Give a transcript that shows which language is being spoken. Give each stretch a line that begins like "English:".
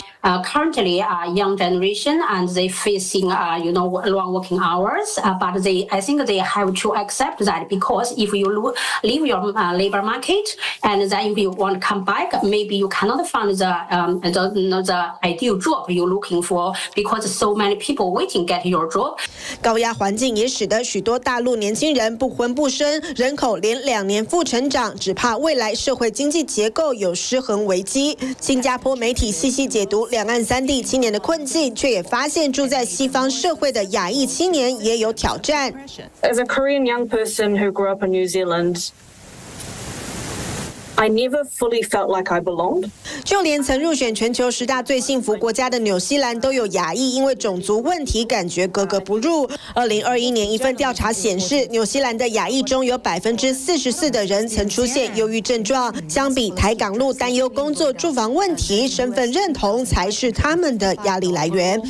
English: Currently, young generation and they facing, long working hours. But I think they have to accept that because if you leave your labor market, and then if you want to come back, maybe you cannot find the ideal job you're looking for because so many people waiting to get your job.
Chinese: 高压环境也使得许多大陆年轻人不婚不生，人口连两年负成长，只怕未来社会经济结构有失衡危机。新加坡媒体细细解读两岸三地青年的困境，却也发现住在西方社会的亚裔青年也有挑战。
English: As a Korean young person who grew up in New Zealand, I never fully felt like I belonged.
Chinese: 就连曾入选全球十大最幸福国家的纽西兰，都有亚裔因为种族问题感觉格格不入。 2021年一份调查显示，纽西兰的亚裔中有44%的人曾出现忧郁症状。相比台港路担忧工作、住房问题，身份认同才是他们的压力来源。